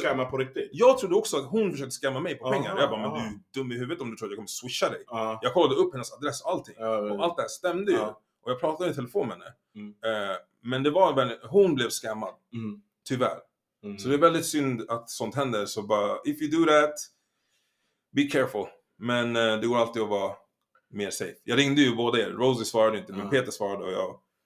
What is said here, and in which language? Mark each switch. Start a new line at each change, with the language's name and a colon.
Swedish: skamma på riktigt. Jag trodde också att hon försökte skamma mig på pengar. Jag bara, men du är dum i huvudet om du tror att jag kommer swisha dig. Jag kollade upp hennes adress och allting. Och allt det stämde ju. Och jag pratade i telefon med henne. Men det var väl... Hon blev skammad. Tyvärr. Så det är väldigt synd att sånt händer. Så bara,
English: if you do that, be careful.
Swedish: Men det går alltid att vara mer safe. Jag ringde ju båda er. Rosie svarade inte, men Peter svarade och jag...